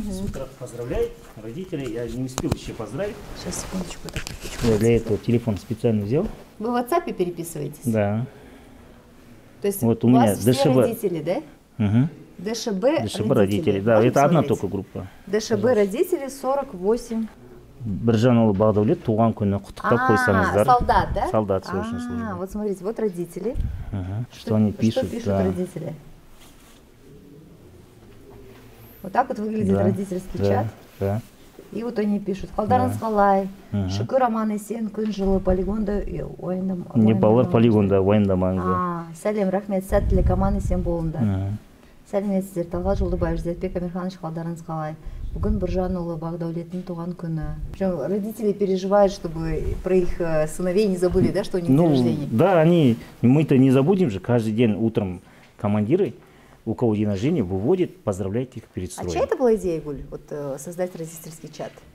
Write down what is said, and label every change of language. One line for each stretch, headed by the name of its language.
Russian: С утра поздравляю родителей. Я не успел еще поздравить. Сейчас, секундочку. Я для этого телефон специально взял. Вы в WhatsApp переписываетесь? Да. То есть вот у меня вас ДШБ. Все родители, да? Угу. ДШБ, ДШБ родители. Да, это одна только группа. ДШБ родители 48.
Kazakh: Біржанұлы Бағдаулет туған күні құттықтап қойсаңыздар.
Russian: Солдат, да? Солдат срочно служит. Вот смотрите, вот родители. Ага. Что они пишут? Что пишут, да. Родители? Вот так вот выглядит, да, родительский, да, чат. Да. И вот они пишут:
Kazakh: Қалдарыңыз қалай? Ага. Шүкір аман есен, күн жылы, полигонда ойындам. Не балар полигонда ойындамаңыз. А, сәлем, рахмет, сәттілік, аман есен болыңдар. Ага. Сәлеметсіздер, Талғат Жолдыбай, Жүзетбек Амирханович, қалдарыңыз қалай? Бүгін Біржанұлы Бағдаулеттің туған күні.
Russian: Причем родители переживают, чтобы про их сыновей не забыли, да, что у них ну, день рождения. Да, они, мы-то не забудем же. Каждый день утром командиры, у кого день рождения, выводят, поздравляют их перед строем. А чья это была идея, Гуль, вот создать родительский чат?